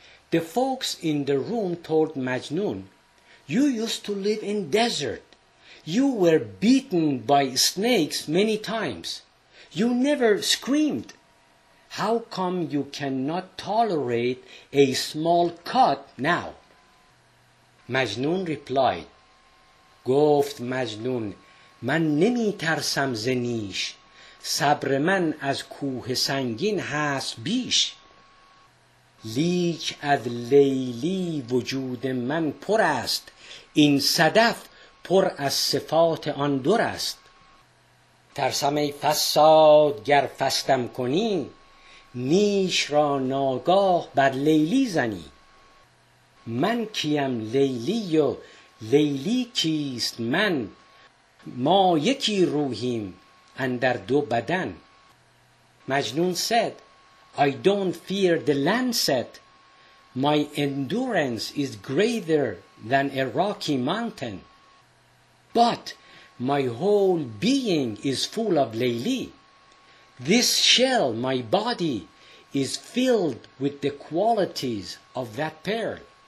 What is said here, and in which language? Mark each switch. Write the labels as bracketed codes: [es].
[en] The folks in the room told Majnun, "You used to live in desert. You were beaten by snakes many times. You never screamed. How come you cannot tolerate a small cut now?" Majnun replied, [fa] گفت مجنون من نمی ترسم ز نیش، صبر من از کوه سنگین هست بیش. لیک از لیلی وجود من پر است، این صدف پر از صفات آن دور است. ترسم ای فساد گر فستم کنی، نیش را ناگاه بر لیلی زنی. من کیم لیلی و لیلی کیست من؟ ما یکی روحیم اندر دو بدن. [en] مجنون said, I don't fear the lancet. My endurance is greater than a rocky mountain. But my whole being is full of Layli. This shell, my body, is filled with the qualities of that pearl.